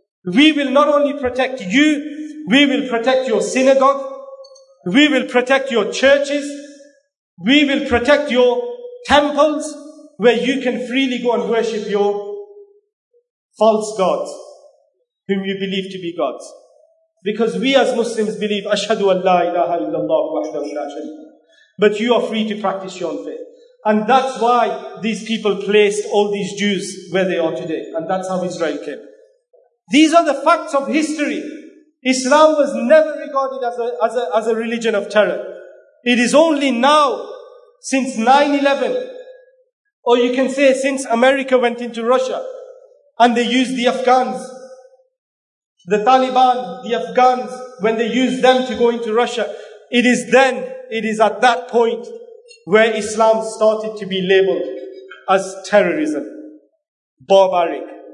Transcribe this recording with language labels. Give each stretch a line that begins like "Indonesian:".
English: We will not only protect you, we will protect your synagogue, we will protect your churches, we will protect your temples where you can freely go and worship your false gods, whom you believe to be gods. Because we as Muslims believe,
Arabic: أَشْهَدُ أَنْ لَا إِلَهَ إِلَّا اللَّهُ وَحْدَهُ لَا شَرِيكَ لَهُ.
English: But you are free to practice your own faith. And that's why these people placed all these Jews where they are today. And that's how Israel came. These are the facts of history. Islam was never regarded as a religion of terror. It is only now, since 9/11, or you can say since America went into Russia, and they used the Afghans, the Taliban, the Afghans, when they used them to go into Russia, it is at that point where Islam started to be labeled as terrorism, barbaric.